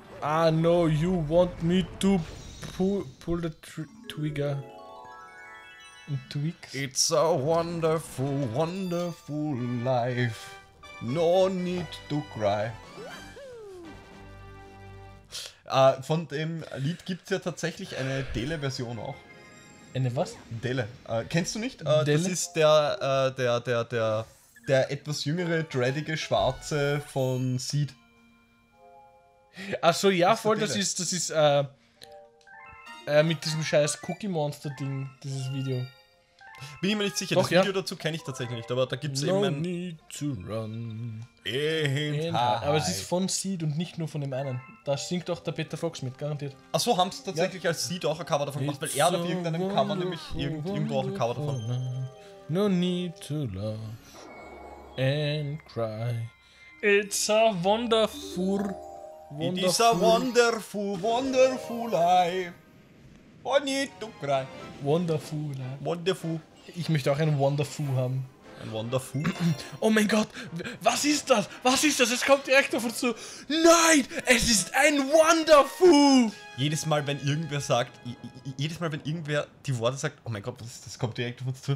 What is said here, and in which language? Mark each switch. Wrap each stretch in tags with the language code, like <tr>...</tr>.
<en>I know you want me to pull the trigger. And tweak. It's a wonderful, wonderful life. No need to cry.</en> <de>Von dem Lied gibt es ja tatsächlich eine Dele-Version auch. Eine was? Dele. Kennst du nicht? Dele? Das ist der etwas jüngere, dreadige Schwarze von Seed. Achso, ja, voll, das ist mit diesem scheiß Cookie Monster-Ding, dieses Video. Bin ich mir nicht sicher, doch, das Video Dazu kenne ich tatsächlich nicht, aber da gibt es eben ein.</de> <en>No need to run.</en> <de>Aber es ist von Seed und nicht nur von dem einen. Da singt auch der Peter Fox mit, garantiert. Achso, haben sie tatsächlich ja. Als Seed auch ein Cover davon gemacht, weil er hat auf irgendeinem Cover nämlich irgendwo auch ein Cover davon.</de> <en>No need to love and cry. It's a wonderful, wonderful. It is a wonderful, wonderful life. I need to cry. Wonderful life. Wonderful.</en> <de>Ich möchte auch ein Wonderful haben. Ein Wonderful? Oh mein Gott, was ist das? Was ist das? Es kommt direkt auf uns zu. Nein, es ist ein Wonderful! Jedes Mal, wenn irgendwer die Worte sagt, oh mein Gott, was ist das? Kommt direkt auf uns zu.</de>